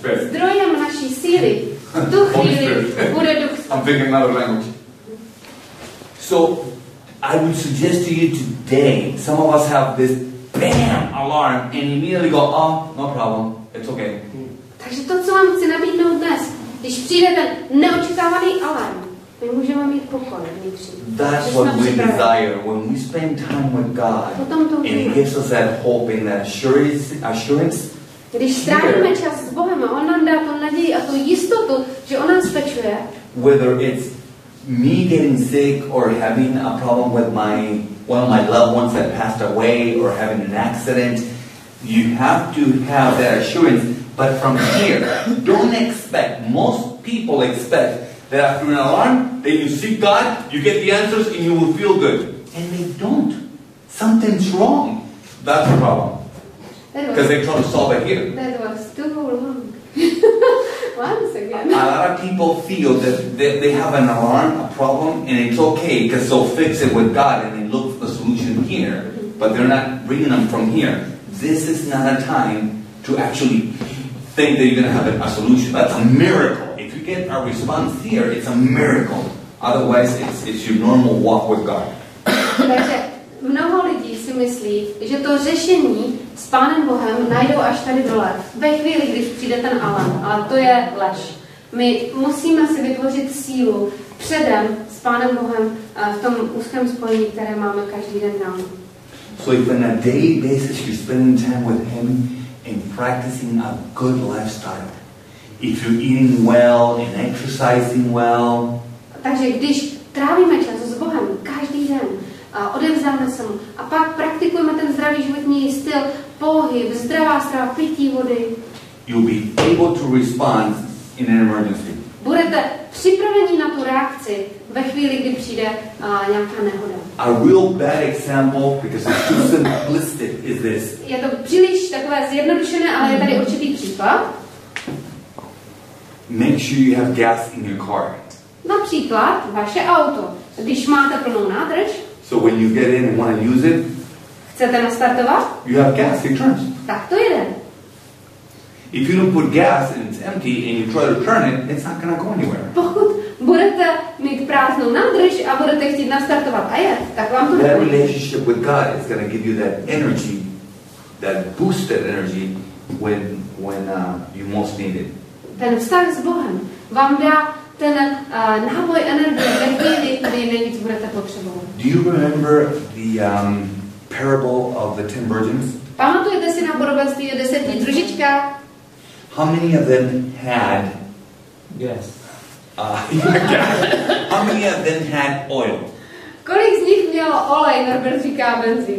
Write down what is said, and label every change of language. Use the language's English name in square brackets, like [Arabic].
[Czech] Zdrojem naší síly v tu chvíli bude Duch [English] Svatý. I'm thinking another language. So I would suggest to you today, some of us have this bam alarm and immediately go, oh, no problem, it's okay. [Czech] Takže to, co vám chci nabídnout dnes, když přijde ten neočekávaný alarm, my můžeme mít pokoj vnitřní. [English] That's what we desire when we spend time with God. And He gives us that hope and that assurance. [Czech] Když strávíme čas s Bohem a On nám dá tu naději a tu jistotu, že On nás pečuje. [English] Whether it's me getting sick or having a problem with my one of my loved ones that passed away or having an accident, you have to have that assurance. But from here, don't expect, most people expect that after an alarm, then you seek God, you get the answers, and you will feel good. And they don't. Something's wrong. That's the problem. Because they're trying to solve it here. That was too long. Once again. A lot of people feel that they have an alarm, a problem, and it's okay because they'll fix it with God and they look for the solution here. But they're not bringing them from here. This is not a time to actually think that you're going to have a solution. That's a miracle. If you get a response here, it's a miracle. Otherwise, it's your normal walk with God. [Czech] Mnoho lidí si myslí, že to řešení s Pánem Bohem najdou až tady dole, ve chvíli, když přijde ten alarm, ale to je lež. My musíme si vytvořit sílu předem s Pánem Bohem v tom úzkém spojení, které máme každý den nám. [English] So if on a daily basis you're spending time with Him and practicing a good lifestyle, if you're eating well and exercising well, [Czech] takže když trávíme čas s Bohem každý den, a odevzdáme se mu. A pak praktikujeme ten zdravý životní styl, pohyb, zdravá strava, pití vody. [English] You'll be able to respond in an emergency. [Czech] Budete připraveni na tu reakci ve chvíli, kdy přijde nějaká nehoda. [English] A real bad example, because it's too simplistic, is this. [Czech] Je to příliš takové zjednodušené, ale je tady určitý příklad. [English] Make sure you have gas in your car. [Czech] Například vaše auto. Když máte plnou nádrž, [English] so when you get in and want to use it, [Czech] chcete nastartovat? [English] You have gas, it turns. [Czech] Tak to jede. [English] If you don't put gas and it's empty and you try to turn it, it's not going to go anywhere. [Czech] Pokud budete mít prázdnou nádrž a budete chtít nastartovat a jet, tak vám to nepůjde. [English] That relationship with God is going to give you that energy, that boosted energy when you most need it. [Czech] Ten vztah s Bohem vám dá ten náboj energie, ve chvíli, kdy nejvíc budete potřebovat. [English] Do you remember the parable of the 10 virgins? [Czech] Pamatujete si na podobenství o deseti družičkách? [English] How many of them had yes. How many of them had oil? [Czech] Kolik z nich mělo olej, Norbert říká benzín?